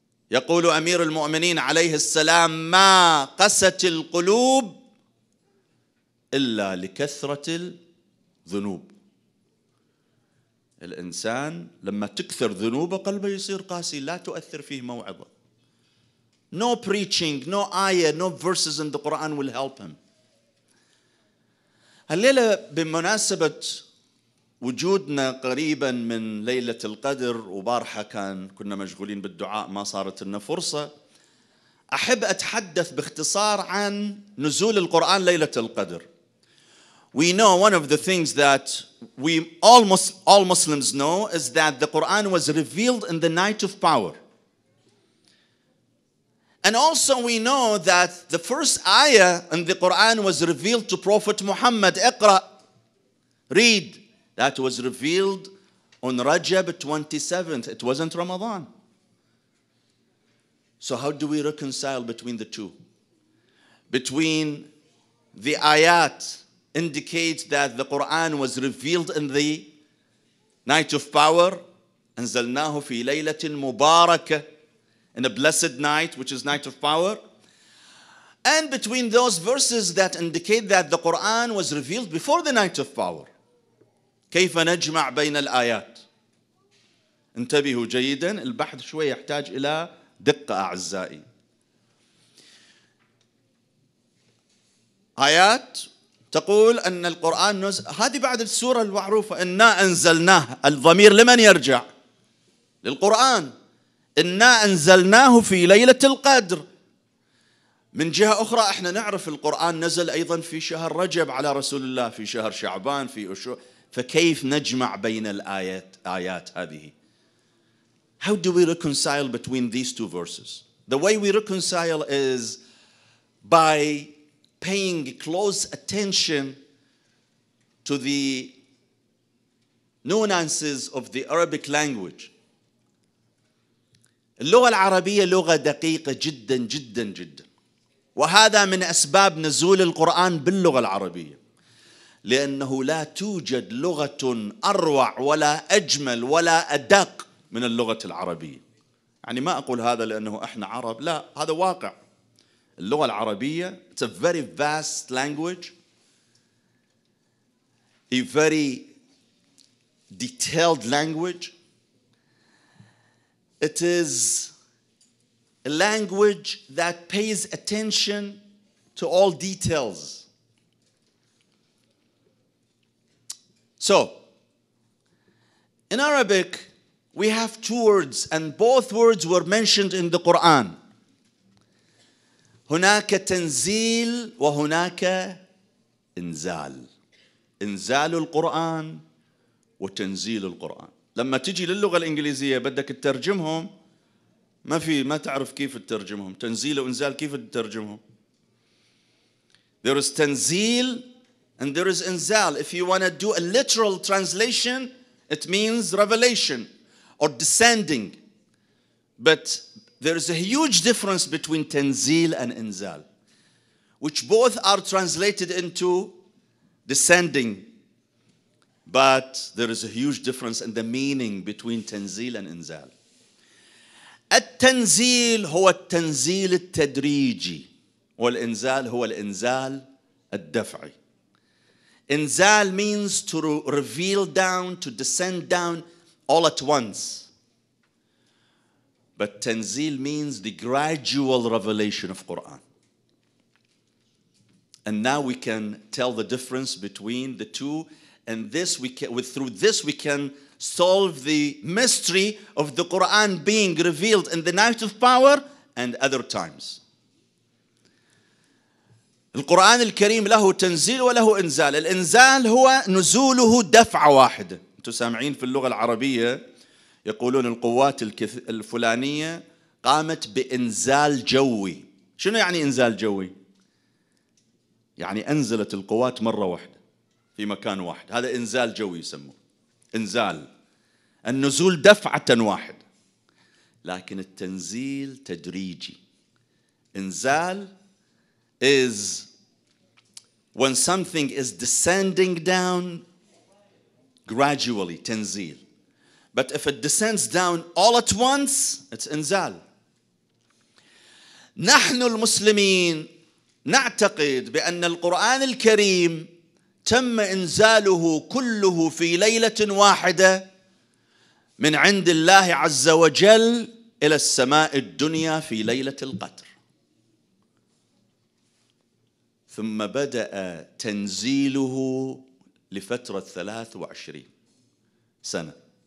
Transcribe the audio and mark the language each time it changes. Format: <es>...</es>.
<ar>يقول أمير المؤمنين عليه السلام ما قست القلوب إلا لكثرة الذنوب. الإنسان لما تكثر ذنوبه قلبه يصير قاسي، لا تؤثر فيه موعظة.</ar> <en>No preaching, no ayah, no verses in the Quran will help him.</en> <ar>الليلة بمناسبة وجودنا قريبا من ليلة القدر، وبارحة كنا مشغولين بالدعاء ما صارت لنا فرصة، أحب أتحدث باختصار عن نزول القرآن ليلة القدر.</ar> <en>We know one of the things that we all Muslims know is that the Quran was revealed in the night of power. And also we know that the first ayah in the Quran was revealed to Prophet Muhammad. Iqra, read. That was revealed on Rajab 27th. It wasn't Ramadan. So how do we reconcile between the two? Between the ayat indicates that the Quran was revealed in the night of power,</en> <ar>أنزلناه في ليلة مباركة,</ar> <en>in a blessed night, which is night of power, and between those verses that indicate that the Quran was revealed before the night of power.</en> <ar>كيف نجمع بين الآيات؟ انتبهوا جيدا، البحث شوي يحتاج إلى دقة أعزائي. آيات تقول أن القرآن هذه بعد السورة المعروفة إنا أنزلناه، الضمير لمن يرجع؟ للقرآن. إنا أنزلناه في ليلة القدر. من جهة أخرى إحنا نعرف القرآن نزل أيضا في شهر رجب على رسول الله، في شهر شعبان، في أشور، فكيف نجمع بين الآيات هذه؟</ar> <en>How do we reconcile between these two verses? The way we reconcile is by paying close attention to the nuances of the Arabic language.</en> <ar>اللغة العربية لغة دقيقة جدا جدا جدا، وهذا من أسباب نزول القرآن باللغة العربية، لأنه لا توجد لغة أروع ولا أجمل ولا أدق من اللغة العربية. يعني ما أقول هذا لأنه إحنا عرب، لا، هذا واقع. اللغة العربية</ar> <en>it's a very vast language, a very detailed language. It is a language that pays attention to all details. So, in Arabic, we have two words, and both words were mentioned in the Quran.</en> <ar>هناك تنزيل وهناك إنزال. إنزال القرآن وتنزيل القرآن. لما تجي للغة الإنجليزية بدك تترجمهم، ما في، ما تعرف كيف تترجمهم. تنزيل وإنزال كيف تترجمهم؟</ar> <en>There is تنزيل and there is إنزال. If you want to do a literal translation, it means revelation or descending. But there is a huge difference between تنزيل and إنزال, which both are translated into descending. But there is a huge difference in the meaning between تنزيل and إنزال.</en> <ar>التنزيل هو التنزيل التدريجي، والإنزال هو الإنزال الدفعي.</ar> <en>إنزال means to reveal down, to descend down all at once. But تنزيل means the gradual revelation of Quran. And now we can tell the difference between the two. And this we can, through this we can solve the mystery of the Quran being revealed in the night of power and other times.</en> <ar>القرآن الكريم له تنزيل وله إنزال. الإنزال هو نزوله دفعة واحدة. أنتوا سامعين في اللغة العربية يقولون القوات الفلانية قامت بإنزال جوي. شنو يعني إنزال جوي؟ يعني أنزلت القوات مرة واحدة في مكان واحد، هذا إنزال جوي يسموه. إنزال النزول دفعة واحد، لكن التنزيل تدريجي.</ar> <en>إنزال is when something is descending down gradually, تنزيل. But if it descends down all at once, it's إنزال.</en> <ar>نحن المسلمين نعتقد بأن القرآن الكريم تم إنزاله كله في ليلة واحدة من عند الله عز وجل إلى السماء الدنيا في ليلة القدر، ثم بدأ تنزيله لفترة 23 سنة.</ar>